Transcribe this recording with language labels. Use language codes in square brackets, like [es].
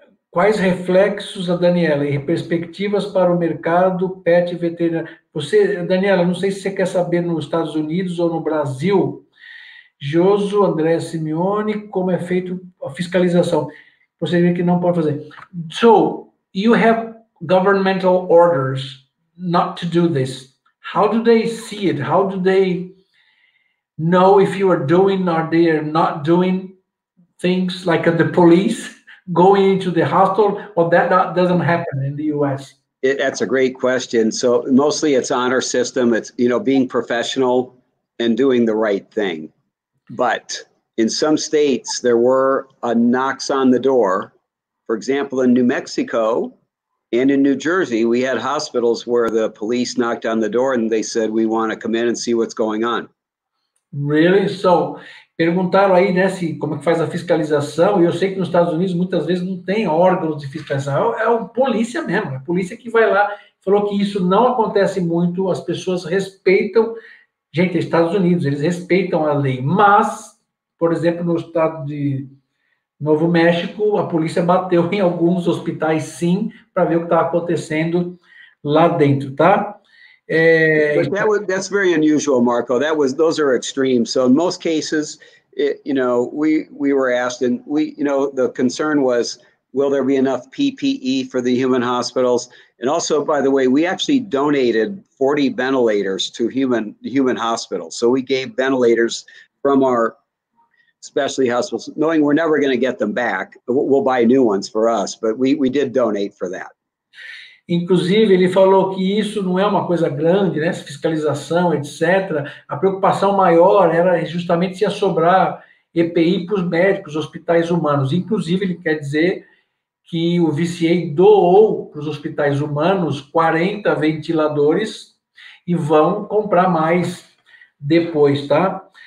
[pt] Quais reflexos, a Daniela, e perspectivas para o mercado pet veterinário? Você, Daniela, não sei se você quer saber nos Estados Unidos ou no Brasil. Gioso, André Simeone, como é feito a fiscalização? Você vê que não pode fazer. [en] So, you have governmental orders not to do this. How do they see it? How do they know if you are doing or they are not doing things like the police? Going into the hospital, or that doesn't happen in the U.S.? That's a great question. So mostly it's honor system. It's, you know, being professional and doing the right thing. But in some states, there were a knocks on the door. For example, in New Mexico and in New Jersey, we had hospitals where the police knocked on the door and they said, we want to come in and see what's going on. Really? [pt] So, perguntaram aí, né, se, como é que faz a fiscalização, e eu sei que nos Estados Unidos muitas vezes não tem órgãos de fiscalização, é a polícia mesmo, a polícia que vai lá, falou que isso não acontece muito, as pessoas respeitam, gente, Estados Unidos, eles respeitam a lei, mas Por exemplo, no estado de Novo México, a polícia bateu em alguns hospitais, sim, para ver o que estava acontecendo lá dentro, tá? [en] That's very unusual, Marco. That was, those are extremes. So in most cases, we were asked, and we, you know, the concern was, will there be enough PPE for the human hospitals? And also, by the way, we actually donated 40 ventilators to human hospitals. So we gave ventilators from our specialty hospitals, knowing we're never going to get them back. We'll buy new ones for us, but we did donate for that. [pt] Inclusive, ele falou que isso não é uma coisa grande, né? Fiscalização, etc. A preocupação maior era justamente se ia sobrar EPI para os médicos, hospitais humanos. Inclusive, ele quer dizer que o VCA doou para os hospitais humanos 40 ventiladores e vão comprar mais depois, tá?